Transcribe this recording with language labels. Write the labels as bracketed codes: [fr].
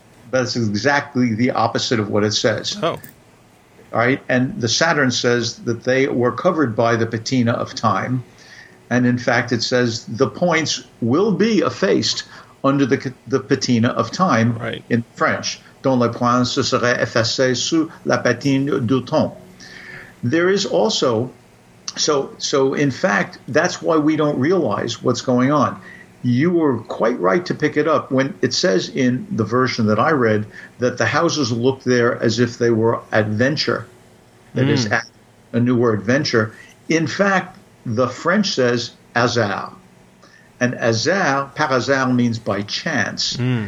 [en] that's exactly the opposite of what it says. Oh. All right? And the Saturn says that they were covered by the patina of time. And in fact, it says the points will be effaced under the patina of time, right, in French. [fr] Dont les points se seraient effacés sous la patine du temps. [en] There is also, so in fact, that's why we don't realize what's going on. You were quite right to pick it up when it says in the version that I read that the houses look there as if they were adventure. That is a new word, venture. In fact, the French says hasard, and hasard, par hasard, means by chance.